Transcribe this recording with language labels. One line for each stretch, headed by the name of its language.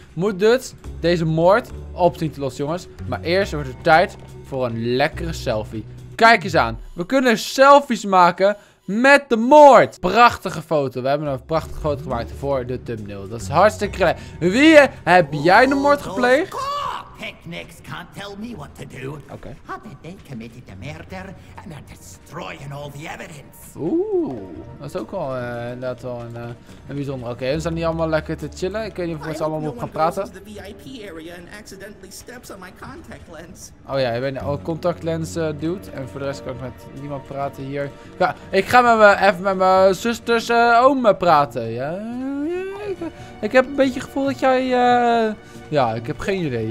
Dutch: Moet dus deze moord op zien te lossen, jongens. Maar eerst wordt het tijd voor een lekkere selfie. Kijk eens aan. We kunnen selfies maken met de moord. Prachtige foto. We hebben een prachtige foto gemaakt voor de thumbnail. Dat is hartstikke leuk. Wie heb jij de moord gepleegd?
English: Picnics can't tell me what to do. Okay. I bet they committed the murder and they're destroying all the evidence.
Dutch: Ooh, dat is ook wel inderdaad wel een bijzonder. Oké, okay, we staan hier allemaal lekker te chillen. Ik weet niet of we allemaal op gaan praten.
English: The VIP area and accidentally steps on my contact lens.
Dutch: Oh ja, je bent al contact lens dude. En voor de rest kan ik met niemand praten hier. Ja, ik ga met mijn zusters oom praten. Ja, ik ik heb een beetje het gevoel dat jij, ja, ik heb geen idee.